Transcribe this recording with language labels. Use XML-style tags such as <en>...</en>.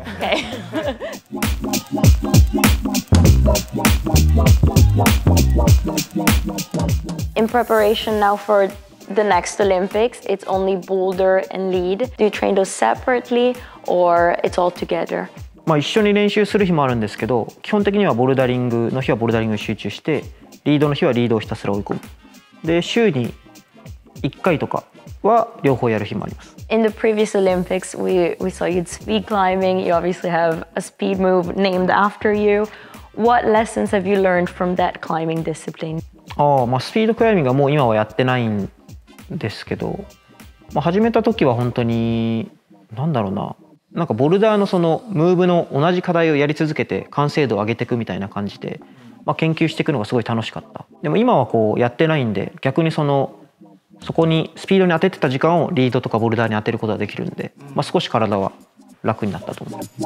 <en>Okay. In preparation now for the next Olympics, it's only boulder and lead. Do you train those separately or it's all together?</en> <ja>まあ、一緒に練習する日もあるんですけど、基本的にはボルダリングの日はボルダリングに集中して、リードの日はリードをひたすら追い込む。で、週に1回とかは両方やる日もあります。</ja> <en>In the previous Olympics we saw you speed climbing. You obviously have a speed move named after you. What lessons have you learned from that climbing discipline?</en> <ja>スピードクライミングはもう今はやってないんですけど、まあ、始めた時は本当に何だろうな、なんかボルダーのそのムーブの同じ課題をやり続けて完成度を上げていくみたいな感じで、まあ、研究していくのがすごい楽しかった。でも今はこうやってないんで、逆にそのそこにスピードに当ててた時間をリードとかボルダーに当てることができるんで、まあ、少し体は楽になったと思う。</ja>